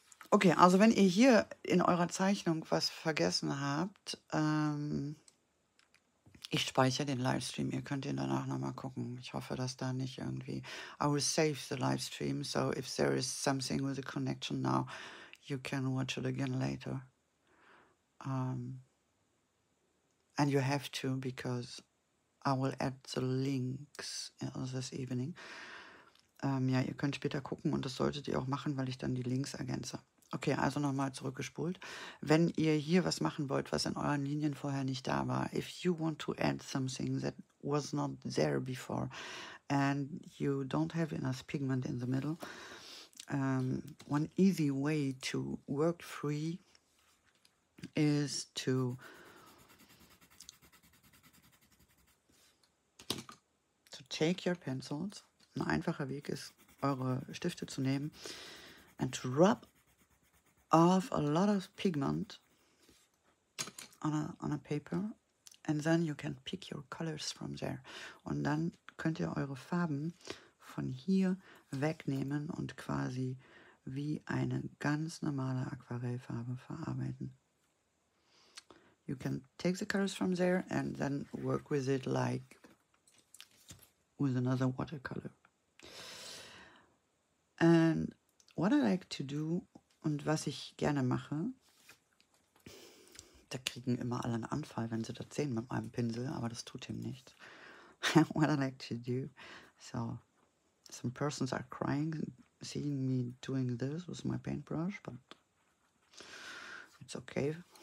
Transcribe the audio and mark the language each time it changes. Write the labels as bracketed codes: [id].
[de] Okay, also wenn ihr hier in eurer Zeichnung was vergessen habt, ich speichere den Livestream, ihr könnt ihn danach nochmal gucken. Ich hoffe, dass da nicht irgendwie... [en] I will save the Livestream, so if there is something with the connection now, you can watch it again later. And you have to, because I will add the links this evening. [de] Ja, ihr könnt später gucken und das solltet ihr auch machen, weil ich dann die Links ergänze. Okay, also nochmal zurückgespult. Wenn ihr hier was machen wollt, was in euren Linien vorher nicht da war, [en] if you want to add something that was not there before and you don't have enough pigment in the middle, one easy way to work free is to take your pencils. [de] Ein einfacher Weg ist, eure Stifte zu nehmen [en] and to rub off a lot of pigment on a paper and then you can pick your colors from there. [de] Und dann könnt ihr eure Farben von hier wegnehmen und quasi wie eine ganz normale Aquarellfarbe verarbeiten. [en] You can take the colors from there and then work with it like with another watercolor. And what I like to do. [de] Und was ich gerne mache, da kriegen immer alle einen Anfall, wenn sie das sehen mit meinem Pinsel, aber das tut ihm nichts. [en] What I like to do, so, some persons are crying, seeing me doing this with my paintbrush, but it's okay.